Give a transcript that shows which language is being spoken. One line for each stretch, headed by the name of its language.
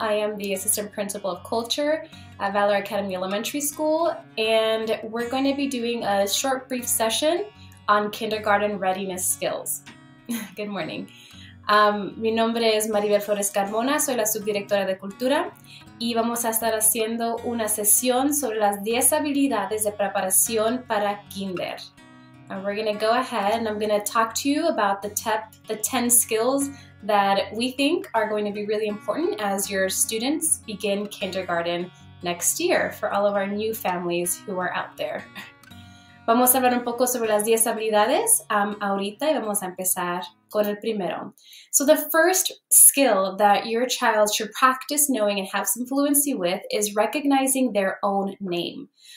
English: I am the Assistant Principal of Culture at Valor Academy Elementary School, and we're going to be doing a short brief session on kindergarten readiness skills. Good morning.
Spanish: Mi nombre es Maribel Flores Carmona, soy la Subdirectora de Cultura, y vamos a estar haciendo una sesión sobre las 10 habilidades de preparación para kinder.
English: And we're going to go ahead and I'm going to talk to you about the 10 skills that we think are going to be really important as your students begin kindergarten next year for all of our new families who are out there.
Spanish: Vamos a hablar un poco sobre las 10 habilidades ahorita y vamos a empezar con el primero.
English: So the first skill that your child should practice knowing and have some fluency with is recognizing their own name.